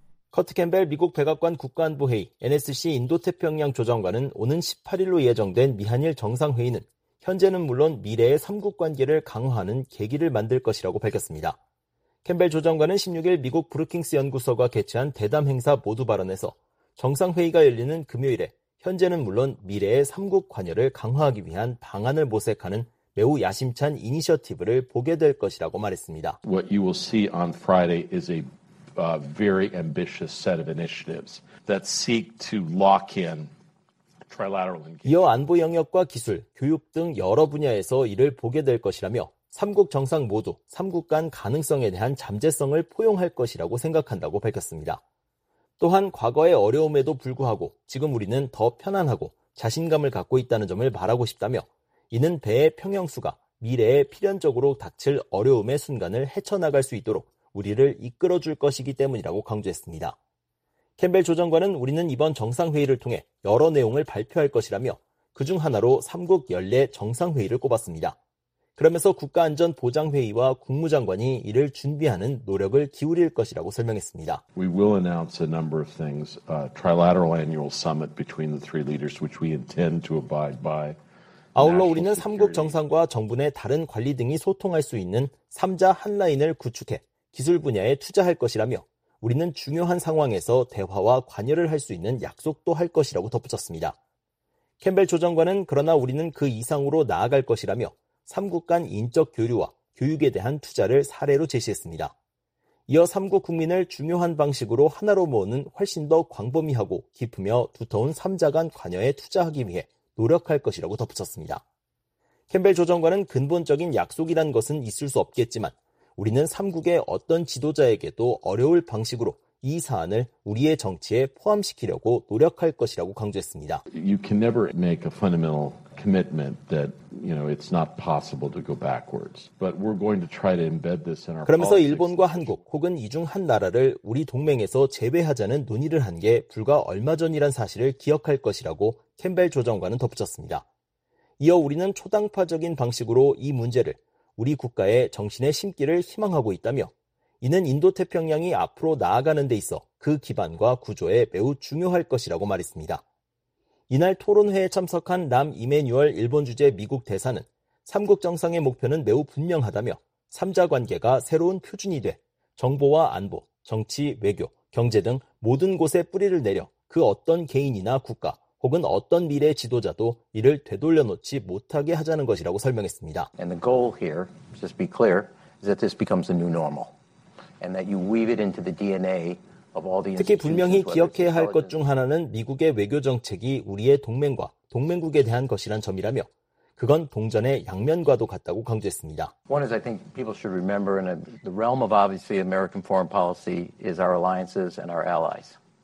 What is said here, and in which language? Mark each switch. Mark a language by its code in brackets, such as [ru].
[ko] 커트 캠벨 미국 백악관 국가안보회의 NSC 인도태평양 조정관은 오는 18일로 예정된 미한일 정상회의는 현재는 물론 미래의 3국 관계를 강화하는 계기를 만들 것이라고 밝혔습니다. 캠벨 조정관은 16일 미국 브루킹스 연구소가 개최한 대담 행사 모두 발언에서 정상회의가 열리는 금요일에 현재는 물론 미래의 3국 관여를 강화하기 위한 방안을 모색하는 매우 야심찬 이니셔티브를 보게 될 것이라고 말했습니다. [en] What you will see on Friday is a very ambitious set of initiatives that seek to lock in trilateral engagement. [ko] 이어 안보 영역과 기술, 교육 등 여러 분야에서 이를 보게 될 것이라며 3국 정상 모두 3국 간 가능성에 대한 잠재성을 포용할 것이라고 생각한다고 밝혔습니다. 또한 과거의 어려움에도 불구하고 지금 우리는 더 편안하고 자신감을 갖고 있다는 점을 말하고 싶다며 이는 배의 평형수가 미래에 필연적으로 닥칠 어려움의 순간을 헤쳐나갈 수 있도록 우리를 이끌어줄 것이기 때문이라고 강조했습니다. 캠벨 조정관은 우리는 이번 정상회의를 통해 여러 내용을 발표할 것이라며 그중 하나로 3국 연례 정상회의를 꼽았습니다. 그러면서 국가안전보장회의와 국무장관이 이를 준비하는 노력을 기울일 것이라고 설명했습니다. [en] We will announce a number of things, trilateral annual summit between the three leaders, which we intend to abide by. [ko] 아울러 우리는 3국 정상과 정부 내 다른 관리 등이 소통할 수 있는 3자 한라인을 구축해 기술 분야에 투자할 것이라며 우리는 중요한 상황에서 대화와 관여를 할 수 있는 약속도 할 것이라고 덧붙였습니다. 캠벨 조정관은 그러나 우리는 그 이상으로 나아갈 것이라며 3국 간 인적 교류와 교육에 대한 투자를 사례로 제시했습니다. 이어 3국 국민을 중요한 방식으로 하나로 모으는 훨씬 더 광범위하고 깊으며 두터운 3자 간 관여에 투자하기 위해 노력할 것이라고 덧붙였습니다. 캠벨 조정관은 근본적인 약속이란 것은 있을 수 없겠지만 우리는 3국의 어떤 지도자에게도 어려울 방식으로 이 사안을 우리의 정치에 포함시키려고 노력할 것이라고 강조했습니다. [en] You can never make a fundamental commitment that, you know, it's not possible to go backwards. But we're going to try to embed this in our [ko] 그러면서 일본과 한국 혹은 이 중 한 나라를 우리 동맹에서 제외하자는 논의를 한 게 불과 얼마 전이란 사실을 기억할 것이라고 캠벨 조정관은 덧붙였습니다. 이어 우리는 초당파적인 방식으로 이 문제를 우리 국가의 정신에 심기를 희망하고 있다며 이는 인도태평양이 앞으로 나아가는 데 있어 그 기반과 구조에 매우 중요할 것이라고 말했습니다. 이날 토론회에 참석한 남 이메뉴얼 일본 주재 미국 대사는 3국 정상의 목표는 매우 분명하다며 3자 관계가 새로운 표준이 돼 정보와 안보, 정치, 외교, 경제 등 모든 곳에 뿌리를 내려 그 어떤 개인이나 국가 혹은 어떤 미래 지도자도 이를 되돌려놓지 못하게 하자는 것이라고 설명했습니다. [en] And the goal here, just to be clear, is that this becomes a new normal. And that you weave it into the DNA of all the [ko] 특히 분명히 기억해야 할 것 중 하나는 미국의 외교 정책이 우리의 동맹과 동맹국에 대한 것이란 점이라며 그건 동전의 양면과도 같다고 강조했습니다. [en] One is I think people should remember in the realm of obviously American foreign policy is our alliances and our allies.